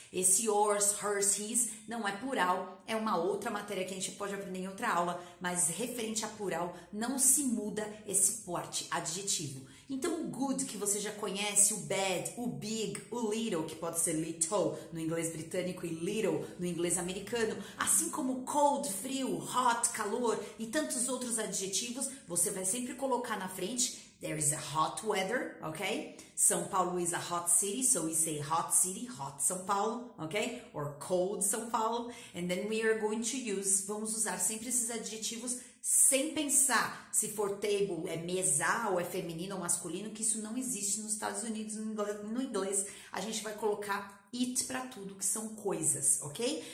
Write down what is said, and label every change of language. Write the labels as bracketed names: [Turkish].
[Portuguese] Esse yours, hers, his não é plural, é uma outra matéria que a gente pode aprender em outra aula, mas referente a plural não se muda esse porte adjetivo. Então, o good que você já conhece, o bad, o big, o little, que pode ser little no inglês britânico e little no inglês americano, assim como cold, frio, hot, calor e tantos outros adjetivos, você vai sempre colocar na frente. [English] There is a hot weather, ok? São Paulo is a hot city, so we say hot city, hot São Paulo, ok? Or cold São Paulo. And then we are going to use, [Portuguese] vamos usar sempre esses adjetivos sem pensar se for table é mesa ou é feminino ou masculino, que isso não existe nos Estados Unidos no inglês. A gente vai colocar it para tudo que são coisas, ok?